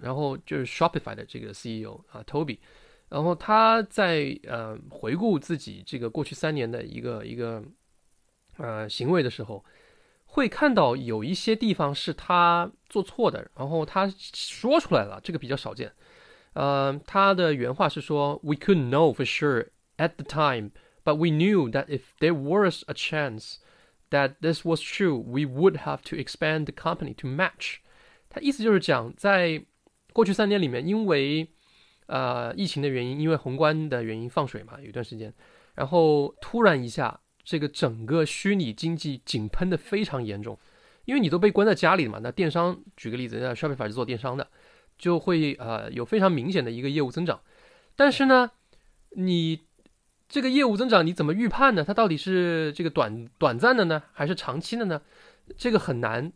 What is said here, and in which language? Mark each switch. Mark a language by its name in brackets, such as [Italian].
[Chinese] 然后就是 Shopify 的这个 CEO 啊，Toby。然后他在回顾自己这个过去3年的一个行为的时候，会看到有一些地方是他做错的，然后他说出来了，这个比较少见。他的原话是说：“ [English] We couldn't know for sure at the time, but we knew that if there was a chance that this was true, we would have to expand the company to match。 [Chinese] ”他意思就是讲，在过去3年里面，因为疫情的原因，因为宏观的原因放水嘛，有一段时间，然后突然一下，这个整个虚拟经济井喷的非常严重，因为你都被关在家里嘛。那电商，举个例子，那 Shopify 是做电商的，就会有非常明显的一个业务增长，但是呢，你这个业务增长你怎么预判呢？它到底是这个短暂的呢，还是长期的呢？这个很难。